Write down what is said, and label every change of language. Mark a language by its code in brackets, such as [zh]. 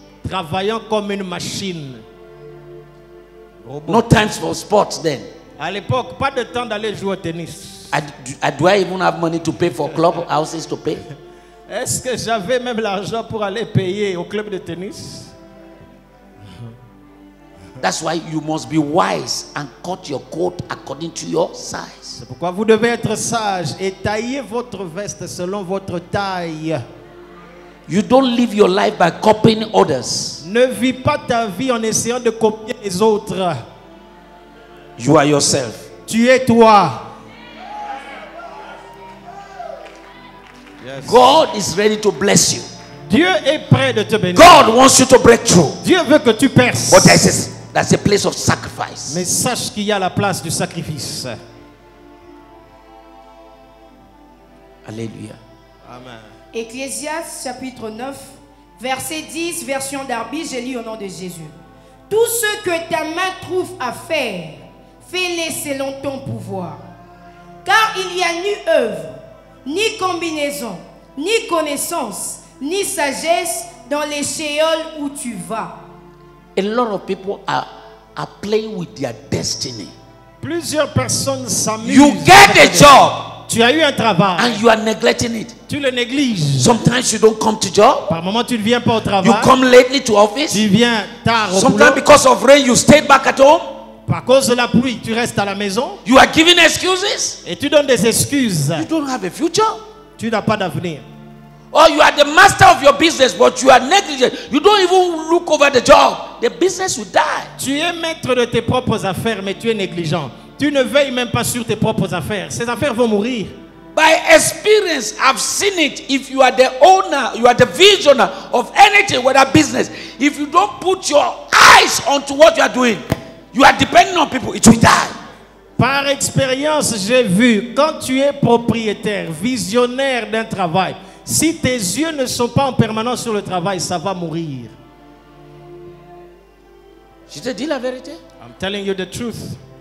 [fr] Travaillant comme une machine. [en] Robot. No time for sports then. [fr] À l'époque, pas de temps d'aller jouer au tennis. [en] Do I even have money to pay for club houses to pay? [fr] Est-ce que j'avais même l'argent pour aller payer au club de tennis? [en] That's why you must be wise and cut your coat according to your size. [fr] C'est pourquoi vous devez être sage et tailler votre veste selon votre taille. [en] You don't live your life by copying others. [fr] Ne vis pas ta vie en essayant de copier les autres. [en] You are yourself. [fr] Tu es toi. [en] Yes. God is ready to bless you. [fr] Dieu est prêt de te bénir. [en] God wants you to break through. [fr] Dieu veut que tu perces. [en] But that's a place of sacrifice. [fr] Mais sache qu'il y a la place du sacrifice. Alléluia. Amen. Ecclésiaste chapitre 9, verset 10, version Darby, je lis au nom de Jésus. Tout ce que ta main trouve à faire, fais-les selon ton pouvoir. Car il n'y a ni œuvre, ni combinaison, ni connaissance, ni sagesse dans les shéols où tu vas. [en] A lot of people are playing with their destiny. [fr] Plusieurs personnes s'amusent. [en] You get a job. [fr] Tu as eu un travail. [en] And you are neglecting it. [fr] Tu le négliges. [en] Sometimes you don't come to job. [fr] Par moment tu ne viens pas au travail. [en] You come lately to office. [fr] Tu viens tard au [en] sometimes [fr] boulot. [en] Sometimes because of rain you stay back at home. [fr] Par cause de la pluie, tu restes à la maison. [en] You are giving excuses. [fr] Et tu donnes des excuses. [en] You don't have a future. [fr] Tu n'as pas d'avenir. [en] Or you are the master of your business, but you are negligent. You don't even look over the job. The business will die. [fr] Tu es maître de tes propres affaires, mais tu es négligent. Tu ne veilles même pas sur tes propres affaires. Ces affaires vont mourir. [en] By experience, I've seen it. If you are the owner, you are the visioner of anything, whether business, if you don't put your eyes onto what you are doing, you are depending on people, it will die. [fr] Par expérience, j'ai vu, quand tu es propriétaire, visionnaire d'un travail, si tes yeux ne sont pas en permanence sur le travail, ça va mourir. Je te dis la vérité. [en] I'm telling you the truth.